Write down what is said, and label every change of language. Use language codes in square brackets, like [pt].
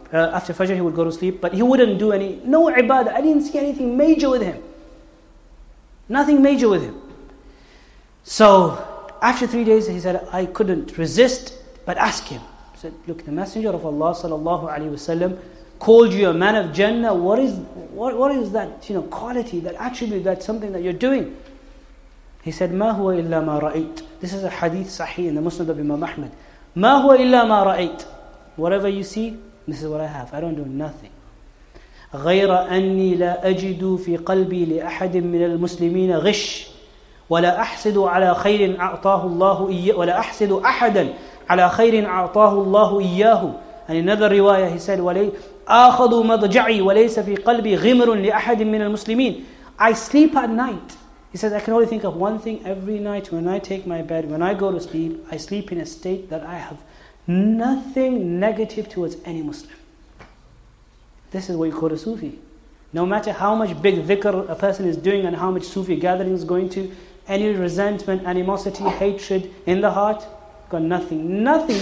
[en] After Fajr he would go to sleep, but he wouldn't do no ibadah. I didn't see anything major with him. Nothing major with him. So after 3 days he said, I couldn't resist but ask him. He said, look, the Messenger of Allah sallallahu alayhi wasallam called you a man of Jannah. What is that, quality, that attribute, that something that you're doing? [ar] He said, ما هو إلا ما رأيت. [en] This is a hadith sahih in the Musnad of Imam Ahmad. [ar] ما هو إلا ما رأيت. [en] Whatever you see, this is what I have. I don't do nothing. [ar] غير أني لا أجد في قلبي لأحد من المسلمين غش ولا أحسد على خير أعطاه الله إياه ولا أحسد أحدا على خير أعطاه الله إياه. [en] And in another riwayah he said, [ar] أخذ مضجعي وليس في قلبي غمر لأحد من المسلمين. [en] I sleep at night. He says, I can only think of one thing every night when I take my bed, when I go to sleep, I sleep in a state that I have nothing negative towards any Muslim. This is what you call a Sufi. No matter how much big dhikr a person is doing and how much Sufi gathering is going to, any resentment, animosity, hatred in the heart, got nothing. Nothing.